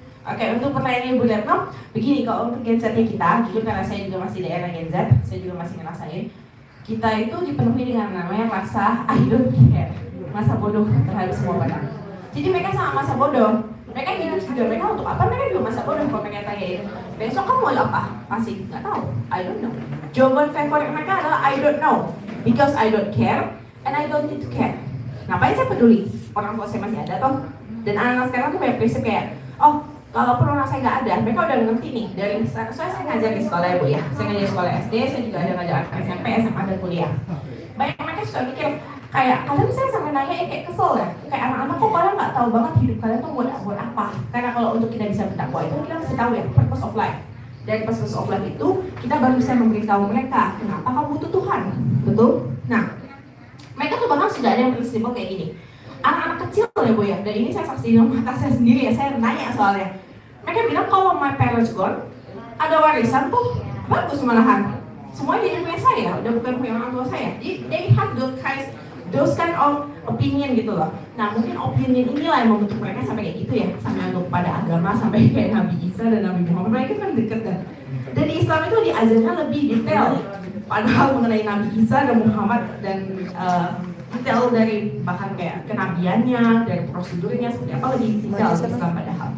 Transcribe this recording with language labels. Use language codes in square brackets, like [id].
[id] Oke, untuk pertanyaan Ibu Letno, begini, kalau untuk Gen Z-nya kita, jujur karena saya juga masih daerah Gen Z, saya juga masih ngerasain, kita itu dipenuhi dengan namanya masa [en] I don't care, [id] masa bodoh terhadap semua orang. Jadi mereka sama masa bodoh, mereka hidup juga, mereka untuk apa? Mereka juga masa bodoh, kalau pengen tanya itu. Besok kamu mau apa? Masih, gak tahu. [en] I don't know. [id] Jawaban favorit mereka adalah [en] I don't know, because I don't care, and I don't need to care. [id] Ngapain saya peduli? Orang tua saya masih ada, toh. Dan anak-anak sekarang tuh banyak prinsip kayak, oh, kalaupun orang saya nggak ada, mereka udah ngerti nih. Dari soalnya saya ngajar di sekolah ya Bu ya, saya ngajar di sekolah SD, saya juga ada ngajar SMP, SMA dan kuliah. Banyak mereka suka mikir kayak kadang saya sampe nanya ya kayak kesel ya, kayak anak-anak kok kalian nggak tahu banget hidup kalian tuh buat apa? Karena kalau untuk kita bisa berdakwah itu kita mesti tahu ya [en] purpose of life. [id] Dari purpose of life itu kita baru bisa memberitahu mereka kenapa kamu butuh Tuhan, betul? Nah, mereka tuh bahkan sudah ada yang prinsipal kayak gini. Anak-anak kecil ya Bu ya, dan ini saya saksi dengan mata saya sendiri ya, saya nanya soalnya. Mereka bilang kalau [en] my parents gone, [id] ada warisan tuh, bagus malahan. Semuanya jadi punya saya, udah bukan punya orang tua saya. [en] They have those kind of opinion gitu loh. [id] Nah mungkin opinion inilah yang membentuk mereka sampai kayak gitu ya. Sampai untuk pada agama, sampai kayak Nabi Isa dan Nabi Muhammad, mereka kan deket kan. Dan Islam itu diajarnya lebih detail. Padahal mengenai Nabi Isa dan Muhammad dan detail dari bahkan kayak kenabiannya, dari prosedurnya seperti apa lebih detail Islam padahal.